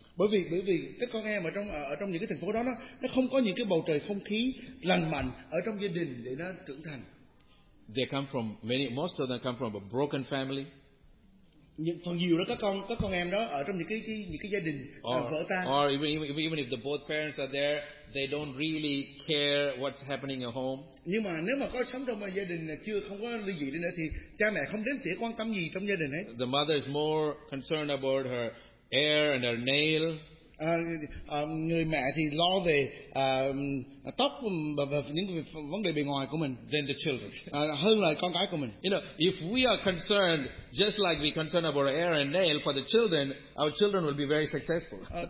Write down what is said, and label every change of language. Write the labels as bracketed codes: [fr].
[vi] Bởi vì các con em ở trong những cái thành phố đó nó không có những cái bầu trời không khí lành mạnh ở trong gia đình để nó trưởng thành. [en] They come from most of them come from a broken family. [vi] Những phần nhiều đó các con em đó ở trong những cái gia đình vỡ tan. [en] Or even if the both parents are there, they don't really care what's happening at home. [vi] Nhưng mà nếu mà có sống trong một gia đình chưa không có ly dị đi nữa thì cha mẹ không đếm xỉa quan tâm gì trong gia đình hết. [en] The mother is more concerned about her hair and her nail. [vi] Người mẹ thì lo về tóc và những vấn đề bề ngoài của mình. [en] Than the children. [vi] Hơn là con cái của mình. [en] You know, if we are concerned just like we concern about hair and nail for the children, our children will be very successful.